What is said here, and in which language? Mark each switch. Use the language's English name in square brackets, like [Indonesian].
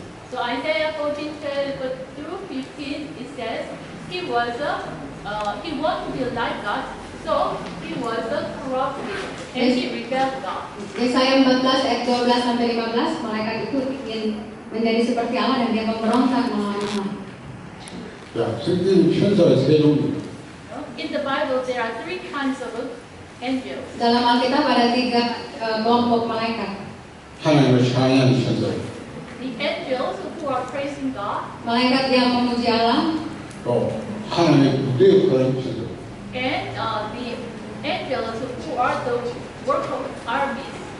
[English] So Isaiah 14:15 it says he was a he wanted to be like God, so he was a corrupt and he rebelled God. [Indonesian] Yesaya 14:12-15 malaikat itu ingin menjadi seperti Allah dan dia memberontak melawan Allah. Ya, sendiri cinta sendiri. [English] In the Bible, there are three kinds of angels. [Indonesian] Dalam Alkitab ada tiga kelompok malaikat. [English] The angels who are praising God. [Indonesian] Malaikat yang memuji Allah. Oh, hallelujah. [English] And the angels who are the work of armies.